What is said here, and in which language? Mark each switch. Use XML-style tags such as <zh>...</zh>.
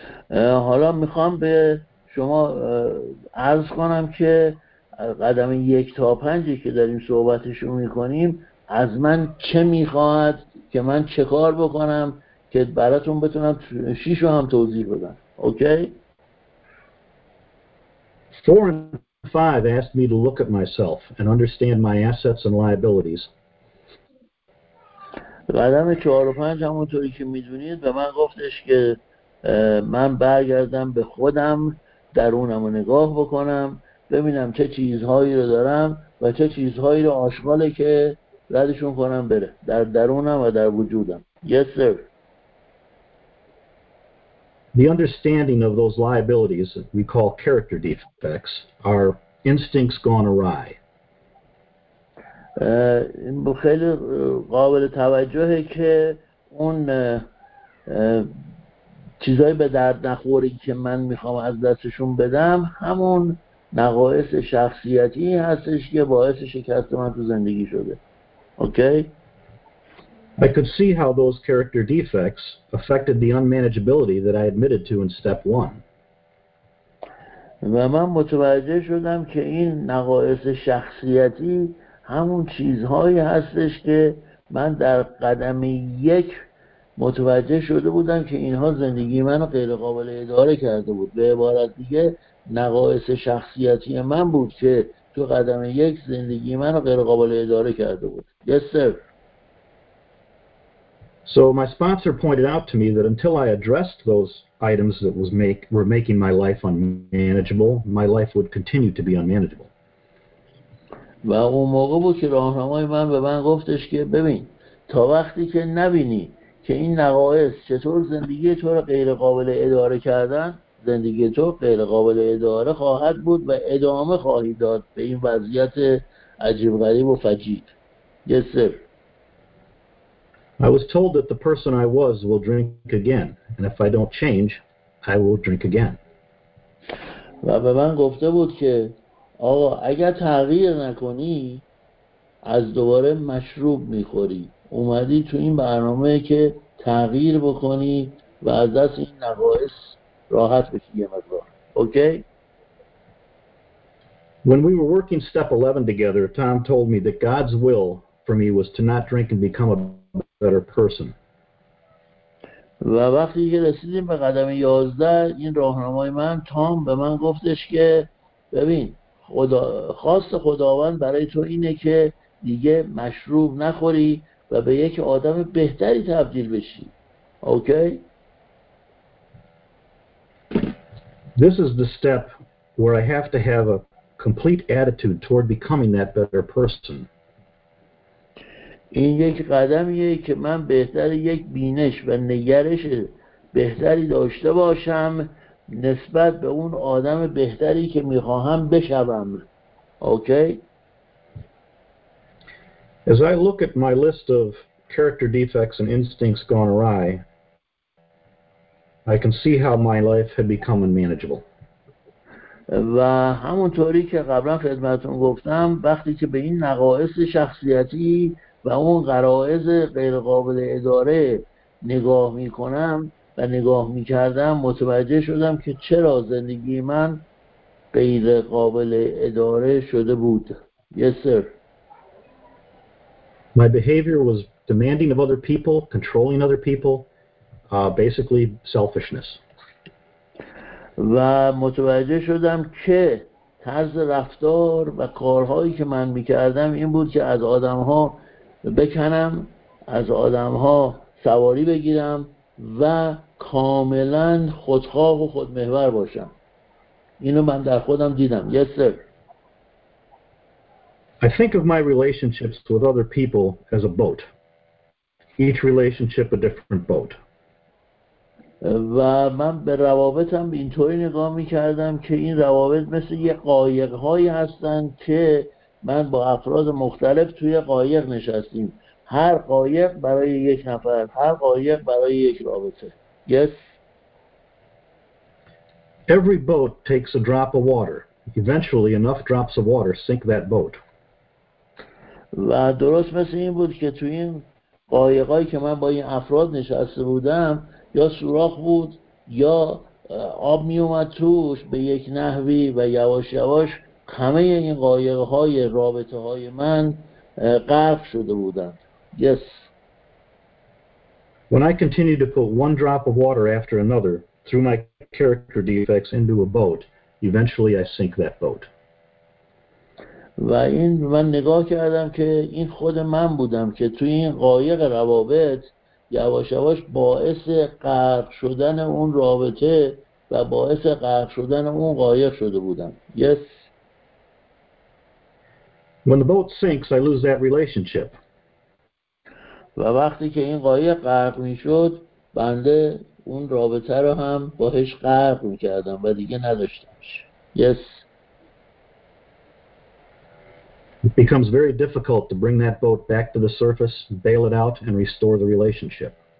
<fa>حالا میخوام به شما عرض کنم که قدم 1 تا 5 که داریم صحبتش رو میکنیم از من چه میخواهد که من چه کار بکنم که براتون بتونم 6 رو هم توضیح بدم.</fa> <en>Okay? 4 and 5 asked me to look at myself and understand my assets and liabilities.</en> <fa>قدم 4 و 5 همونطوری که میدونید به من گفتش که من برگردم به خودم درونم رو نگاه بکنم ببینم چه چیزهایی رو دارم و چه چیزهایی رو آشغاله که ردشون کنم بره در درونم و در وجودم</fa> <en>yes sir The understanding of those liabilities that we call character defects are instincts gone awry</en> <fa>این خیلی قابل توجهه که اون چیزایی به درد نخوری که من میخوام از دستشون بدم همون نقایص شخصیتی هستش که باعث شکست من تو زندگی شده.</fa> <en>Okay? I could see how those character defects affected the unmanageability that I admitted to in step 1.</en> <fa>و من متوجه شدم که این نقایص شخصیتی همون چیزهایی هستش که من در قدم 1 متوجه شده بودم که اینها زندگی منو غیر قابل اداره کرده بود به عبارت دیگه نقایص شخصیتی من بود که تو قدم 1 زندگی منو غیر قابل اداره کرده بود</fa> <en>yes sir So my sponsor pointed out to me that until I addressed those items that was make were making my life unmanageable my life would continue to be unmanageable</en> <fa>و اون موقع بود که راهنمای من به من گفتش که ببین تا وقتی که نبینی که این نقایص چطور زندگی تو را غیر قابل اداره کردن زندگی تو غیر قابل اداره خواهد بود و ادامه خواهی داد به این وضعیت عجیب غریب و فجیع</fa> <en>yes sir I was told that the person I was will drink again and if I don't change I will drink again</en> <fa>و به من گفته بود که آقا اگر تغییر نکنی از دوباره مشروب میخوری اومدی تو این برنامه که تغییر بکنی و از دست این نقایص راحت بشی یه مقدار.</fa> <en>Okay? When we were working step 11 together, Tom told me that God's will for me was to not drink and become a better person.</en> <fa>و وقتی که رسیدیم به قدم 11، این راهنمای من تام به من گفتش که ببین، خواست خداوند برای تو اینه که دیگه مشروب نخوری و به یک آدم بهتری تبدیل بشی.</fa> <en>Okay? This is the step where I have to have a complete attitude toward becoming that better person.</en> <fa>این یک قدمیه که من بهتر یک بینش و نگرش بهتری داشته باشم نسبت به اون آدم بهتری که میخواهم بشوم.</fa> <en>Okay? As I look at my list of character defects and instincts gone awry, I can see how my life had become unmanageable.</en> <fa>و همونطوری که قبلا خدمتتون گفتم وقتی که به این نقایص شخصیتی و اون غرایز غیر قابل اداره نگاه میکنم و نگاه میکردم متوجه شدم که چرا زندگی من غیر قابل اداره شده بود.</fa> <en>Yes, sir. My behavior was demanding of other people, controlling other people, basically selfishness.</en> <fa>و متوجه شدم که طرز رفتار و کارهایی که من میکردم این بود که از آدمها بکنم، از آدمها سواری بگیرم و کاملا خودخواه و خودمحور باشم. اینو من در خودم دیدم.</fa> <en>Yes, sir. I think of my relationships with other people as a boat. Each relationship a different boat.</en> <fa>و من به روابطم اینطوری نگاه می‌کردم که این روابط مثل یه قایق‌هایی هستند که من با افراد مختلف توی قایق نشستیم. هر قایق برای یک نفر، هر قایق برای یک رابطه.</fa> <en>Yes. Every boat takes a drop of water. Eventually enough drops of water sink that boat.</en> <fa>و درست مثل این بود که توی این قایقایی که من با این افراد نشسته بودم یا سوراخ بود یا آب می اومد توش به یک نحوی و یواش یواش همه این قایقهای رابطه های من غرق شده بودند.</fa> <en>Yes. When I continued to put one drop of water after another through my character defects into a boat, eventually I sink that boat.</en> <fa>و این من نگاه کردم که این خود من بودم که توی این قایق روابط یواش یواش باعث غرق شدن اون رابطه و باعث غرق شدن اون قایق شده بودم.</fa> <en>Yes. When the boat sinks, I lose that relationship.</en> <fa>و وقتی که این قایق غرق می‌شد، بنده اون رابطه رو هم باهش غرق می‌کردم و دیگه نداشتمش.</fa> <en>Yes. It becomes very difficult to bring that boat back to the surface, bail it out, and restore the relationship.</en>